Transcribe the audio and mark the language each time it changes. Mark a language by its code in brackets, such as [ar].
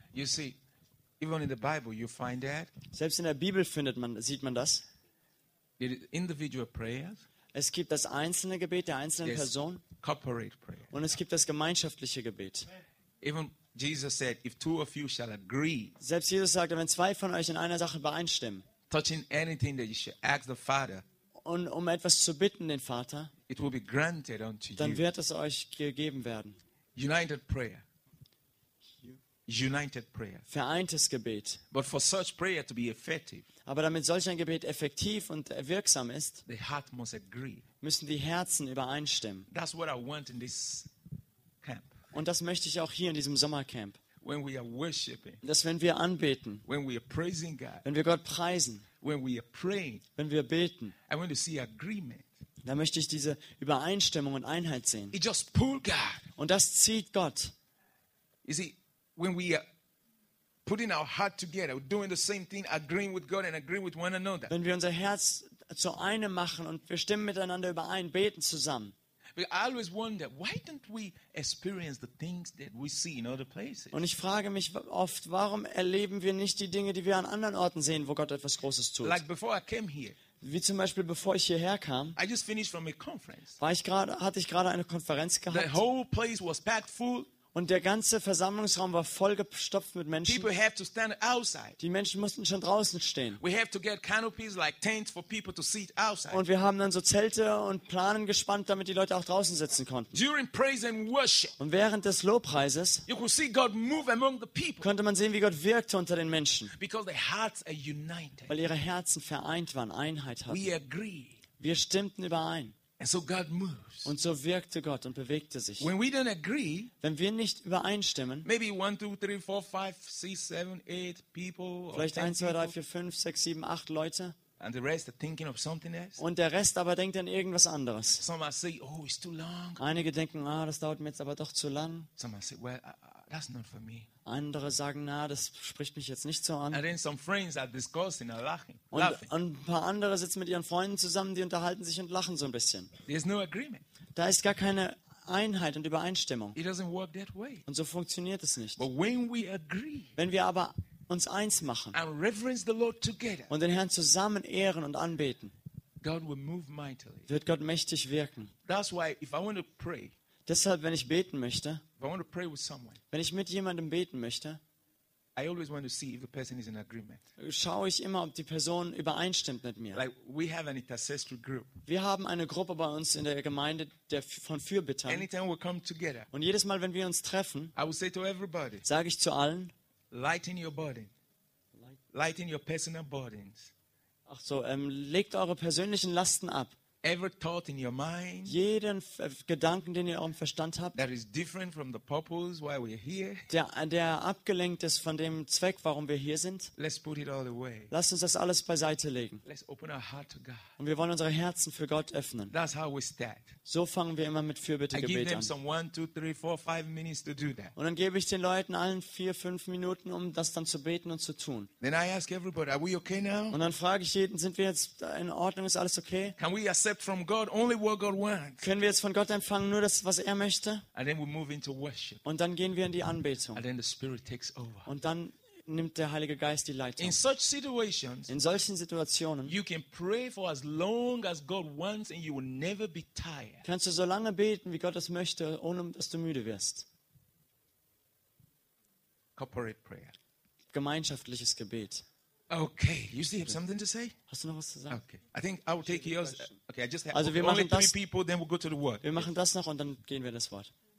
[en] You see, even in the Bible you find that. [de] Selbst in der Bibel sieht man das. [en] Individual prayers. [de] Es gibt das einzelne Gebet der einzelnen Person. [en] Corporate prayer. [de] Und es gibt das gemeinschaftliche Gebet. [en] Even Jesus said, if two of you shall agree. [de] Selbst Jesus sagte, wenn zwei von euch in einer Sache übereinstimmen. [en] Touching anything that you shall ask the Father. [de] Und um etwas zu bitten den Vater. [en] It will be granted unto you. [de] Dann wird es euch gegeben werden. [en] United prayer. United prayer. [de] Vereintes Gebet. [en] But for such prayer to be effective. [de] Aber damit solch ein Gebet effektiv und wirksam ist. [en] The heart must agree. [de] Müssen die Herzen übereinstimmen. [en] That's what I want in this. [de] Und das möchte ich auch hier in diesem Sommercamp. [en] When we are worshiping, [de] dass wenn wir anbeten, [en] when we are praising God, [de] wenn wir Gott preisen, [en] when we are praying, [de] wenn wir beten, [en] I want to see agreement. [de] Da möchte ich diese Übereinstimmung und Einheit sehen. [en] It just pull God. [de] Und das zieht Gott. [en] You see, when we are putting our heart together, doing the same thing, agreeing with God and agreeing with one another. [de] Wenn wir unser Herz zu einem machen und wir stimmen miteinander überein, beten zusammen. [en] I always wonder, why don't we experience the things that we see in other places? [de] Und ich frage mich oft, warum erleben wir nicht die Dinge, die wir an anderen Orten sehen, wo Gott etwas Großes tut? [en] Like before I came here. [de] Wie zum Beispiel bevor ich hierher kam. [en] I just finished from a conference. [de] Hatte ich gerade eine Konferenz gehabt. [en] The whole place was packed full. [de] Und der ganze Versammlungsraum war vollgestopft mit Menschen. [en] People have to stand outside. [de] Die Menschen mussten schon draußen stehen. [en] We have to get canopies like tents for people to sit outside. [de] Und wir haben dann so Zelte und Planen gespannt, damit die Leute auch draußen sitzen konnten. [en] During praise and worship. [de] Und während des Lobpreises. [en] You could see God move among the people. [de] Konnte man sehen, wie Gott wirkte unter den Menschen. [en] Because their hearts are united. [de] Weil ihre Herzen vereint waren, Einheit hatten. [en] We agree. [de] Wir stimmten überein. [en] And so God moves. [de] Und so wirkte Gott und bewegte sich. [en] When we don't agree, [de] wenn wir nicht übereinstimmen, [en] maybe 1, 2, 3, 4, 5, 6, 7, 8 people, [de] vielleicht 1, 2, 3, 4, 5, 6, 7, 8 Leute, [en] and the rest are thinking of something else. [de] Und der Rest aber denkt an irgendwas anderes. [en] Some might say, oh, it's too long. [de] Einige denken, ah, das dauert mir jetzt aber doch zu lang. [en] Some might say, well, that's not for me. [de] Andere sagen, na, das spricht mich jetzt nicht so an. [en] And then some friends are discussing and laughing. [de] Und ein paar andere sitzen mit ihren Freunden zusammen, die unterhalten sich und lachen so ein bisschen. [en] There's no agreement. [de] Da ist gar keine Einheit und Übereinstimmung. [en] It doesn't work that way. [de] Und so funktioniert es nicht. [en] But when we agree, [de] wenn wir aber uns eins machen [en] and reverence the Lord together, [de] und den Herrn zusammen ehren und anbeten, [en] God will move mightily. [de] Wird Gott mächtig wirken. [en] That's why if I want to pray, [de] deshalb, wenn ich beten möchte, [en] I want to pray with someone, [de] wenn ich mit jemandem beten möchte, [en] I always want to see if the person is in agreement. [de] Schaue ich immer, ob die Person übereinstimmt mit mir. [en] Like we have an intercessory group. [de] Wir haben eine Gruppe bei uns in der Gemeinde der von Fürbittern. [en] Anytime we come together. [de] Und jedes Mal, wenn wir uns treffen, [en] I will say to everybody. [de] Sage ich zu allen. [en] Lighten your burden. Lighten your personal burdens. [de] Ach so, legt eure persönlichen Lasten ab. [en] Every thought in your mind, [de] jeden Gedanken, den ihr im Verstand habt, [en] that is different from the purpose why we're here, [de] der abgelenkt ist von dem Zweck, warum wir hier sind, [en] let's put it all away. [de] Lasst uns das alles beiseite legen. [en] Let's open our heart to God. [de] Und wir wollen unsere Herzen für Gott öffnen. [en] That's how we start. [de] So fangen wir immer mit Fürbittegebet an. [en] Some one, two, three, four, five minutes to do that. [de] Und dann gebe ich den Leuten allen 4-5 Minuten, um das dann zu beten und zu tun. [en] Then I ask everybody, are we okay now? [de] Und dann frage ich jeden, sind wir jetzt in Ordnung, ist alles okay? [en] Can we accept from God only what God wants. [de] Können wir jetzt von Gott empfangen nur das, was er möchte? [en] And then we move into worship. [de] Und dann gehen wir in die Anbetung. [en] And then the Spirit takes over. [de] Und dann nimmt der Heilige Geist die Leitung. [en] In such situations, [de] in solchen Situationen, [en] you can pray for as long as God wants and you will never be tired. [de] Kannst du so lange beten, wie Gott es möchte, ohne dass du müde wirst. [en] Corporate prayer. [de] Gemeinschaftliches Gebet. [en] Okay, you still have something to say? [de] Hast du noch was zu sagen? [en] Okay, I think I will take yours. Okay, I just have also, only [de] das, [en] three people, then we'll go to the word. [de] Wir machen das noch und dann gehen wir das Wort.